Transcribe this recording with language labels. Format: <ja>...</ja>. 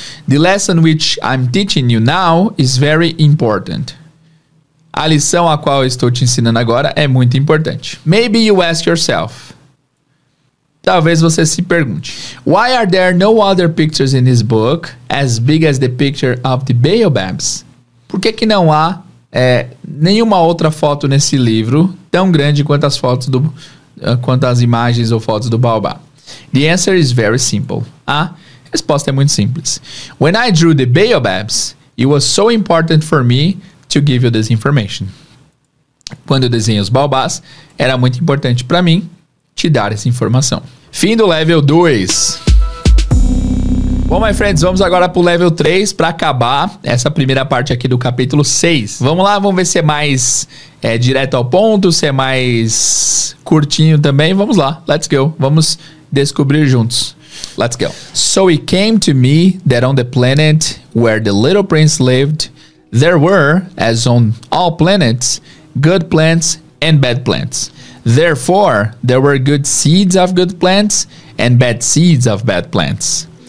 <en>The lesson which I'm teaching you now is very important.</en> <pt>A lição a qual eu estou te ensinando agora é muito importante.</pt> <en>Maybe you ask yourself.</en> <pt>Talvez você se pergunte.</pt> <en>Why are there no other pictures in this book as big as the picture of the baobabs?</en> <pt>Por que que não há nenhuma outra foto nesse livro tão grande quanto as fotos do quanto as imagens ou fotos do baobá?</pt> <en>The answer is very simple.</en> <pt>A resposta é muito simples.</pt> <en>When I drew the baobabs, it was so important for me to give you this information.</en> <pt>Quando eu desenhei os baobás, era muito importante para mim te dar essa informação. Fim do level 2. Bom,</pt> <en>my friends,</en> <pt>vamos agora pro level 3 para acabar essa primeira parte aqui do capítulo 6. Vamos lá, vamos ver se é mais direto ao ponto, se é mais curtinho também. Vamos lá,</pt> <en>let's go.</en> <pt>Vamos descobrir juntos.</pt> <en>Let's go. So it came to me that on the planet where the little prince lived, there were, as on all planets, good plants and bad plants. Therefore, there were good seeds of good plants and bad seeds of bad plants.</en>